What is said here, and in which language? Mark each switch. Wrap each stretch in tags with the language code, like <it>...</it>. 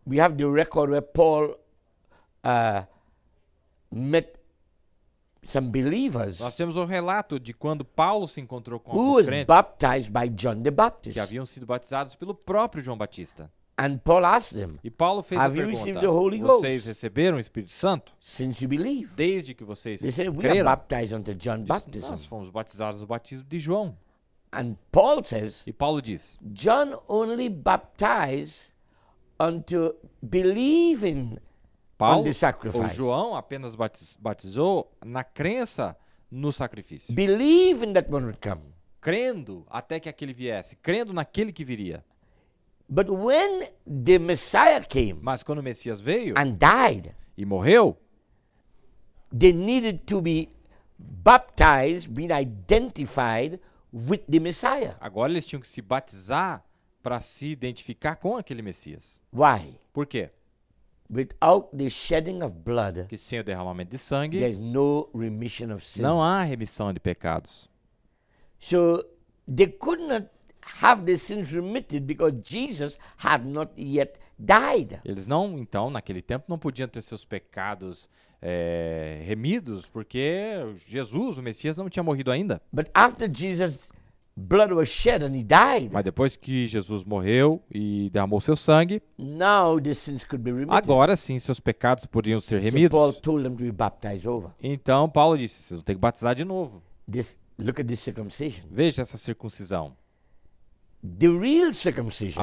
<en>we have the record where Paul met some believers.</en> <pt>Nós temos um relato de quando Paulo se encontrou com</pt> <en>who</en> <pt>alguns crentes.</pt> <en>Who was baptized by John the Baptist?</en> <pt>Que haviam sido batizados pelo próprio João Batista.</pt> <en>And Paul asked them.</en> <pt>E Paulo fez</pt> <en>have you</en> <pt>pergunta,</pt> <en>received the Holy Ghost?</en> <pt>Vocês receberam o Espírito Santo?</pt> <en>Since you believe.</en> <pt>Desde que vocês</pt> <en>they</en> <pt>creram.</pt> <en>They said we are baptized under John baptism.</en> <pt>Nós fomos batizados no batismo de João.</pt> <en>And Paul says.</en> <pt>E Paulo diz.</pt> <en>John only baptized unto believing.</en> <pt>Paulo, ou João, apenas batizou na crença no sacrifício.</pt> <en>Believing that one would come.</en> <pt>Crendo até que aquele viesse. Crendo naquele que viria.</pt> <en>But when the Messiah came.</en> <pt>Mas quando o Messias veio.</pt> <en>And died.</en> <pt>E morreu.</pt> <en>They needed to be baptized, being identified with the Messiah.</en> <pt>Agora eles tinham que se batizar para se identificar com aquele Messias.</pt> <en>Why?</en> <pt>Por quê?</pt> <en>Without the shedding of blood,</en> <pt>que sem o derramamento de sangue,</pt> <en>there is no remission of sin.</en> <pt>Não há remissão de pecados.</pt> <en>So they could not have the sins remitted because Jesus had not yet died.</en> <pt>Eles não, então, naquele tempo, não podiam ter seus pecados remidos porque Jesus, o Messias, não tinha morrido ainda.</pt> <en>But after Jesus' blood was shed and he died.</en> <pt>Mas depois que Jesus morreu e derramou seu sangue,</pt> <en>now the sins could be remitted.</en> <pt>Agora sim, seus pecados poderiam ser remidos.</pt> <en>So Paul told them to be baptized over.</en> <pt>Então Paulo disse, vocês vão ter que batizar de novo.</pt> <en>This, look at this circumcision.</en> <pt>Veja essa circuncisão.</pt> <en>The real circumcision.</en>